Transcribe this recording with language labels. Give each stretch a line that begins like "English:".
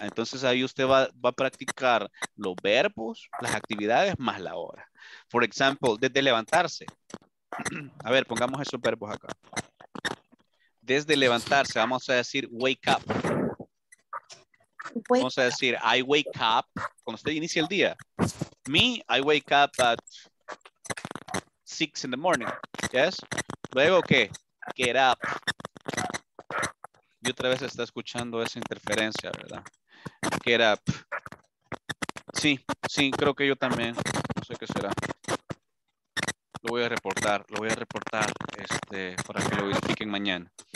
Spanish: Entonces ahí usted va a practicar los verbos, las actividades, más la hora.
English: For example,
Spanish: desde levantarse. A ver, pongamos esos verbos acá. Desde levantarse, vamos a decir wake up. Vamos a decir I wake up cuando usted inicia el día.
English: Me, I wake up at 6 in the morning. ¿Yes?
Spanish: Luego, ¿qué?
English: Get up.
Spanish: Y otra vez está escuchando esa interferencia, ¿verdad? Get up. Sí, creo que yo también. No sé qué será. Lo voy a reportar para que lo verifiquen mañana.